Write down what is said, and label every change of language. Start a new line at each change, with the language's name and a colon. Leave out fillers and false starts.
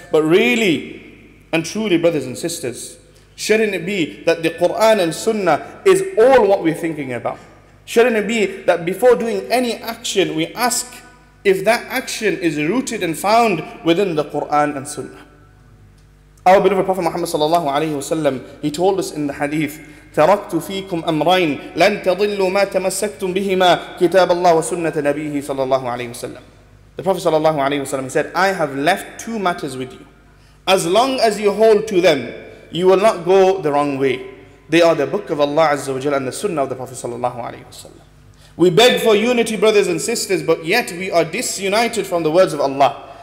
English: But really and truly, brothers and sisters, shouldn't it be that the Qur'an and Sunnah is all what we're thinking about? Shouldn't it be that before doing any action, we ask if that action is rooted and found within the Qur'an and Sunnah? Our beloved Prophet Muhammad sallallahu alayhi wa sallam, he told us in the hadith,
Arabic: تَرَكْتُ فِيكُمْ أَمْرَيْنِ لَن تَضِلُّوا مَا تَمَسَّكْتُمْ بِهِمَا كِتَابَ اللَّهُ وَسُنَّةَ نَبِيهِ صَلَى اللَّهُ عَلَيْهُ وَسَلَّمُ.
English: The Prophet sallallahu alayhi wa sallam, he said, I have left two matters with you. As long as you hold to them, you will not go the wrong way. They are the Book of Allah Azza wa Jalla and the Sunnah of the Prophet sallallahu alayhi wa sallam. We beg for unity, brothers and sisters, but yet we are disunited from the words of Allah.